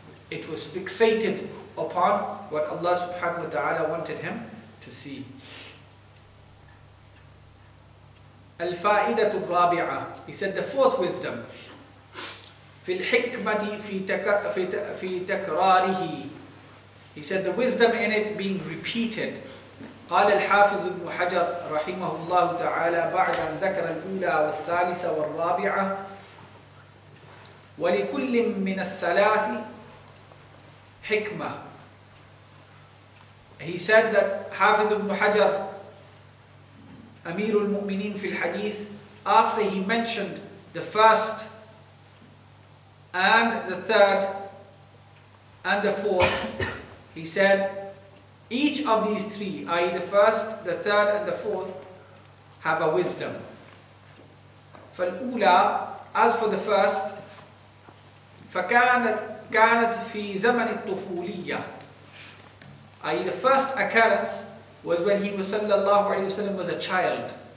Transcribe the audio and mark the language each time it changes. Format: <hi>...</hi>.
<en>It was fixated upon what Allah subhanahu wa ta'ala wanted him to see. Al-fa'idatu rabi'ah, he said the fourth wisdom.</en> <ar>في الحكمة في تكراره,</ar> <en>he said the wisdom in it being repeated.</en> <ar>قال الحافظ ابن حجر رحمه الله تعالى بعد أن ذكر الأولى والثالثة والرابعة ولكل من الثلاث حكمة,</ar> <en>he said that</en> <ar>حافظ ابن حجر أمير المؤمنين في الحديث,</ar> <en>after he mentioned the first and the third and the fourth, he said each of these three, i.e. the first, the third and the fourth, have a wisdom.</en> <ar>فالأولى,</ar> <en>as for the first,</en> <ar>فكانت في زمن الطفولية, i.e.</ar> <en>the first occurrence was when he was sallallahu alayhi wa sallam was a child.</en>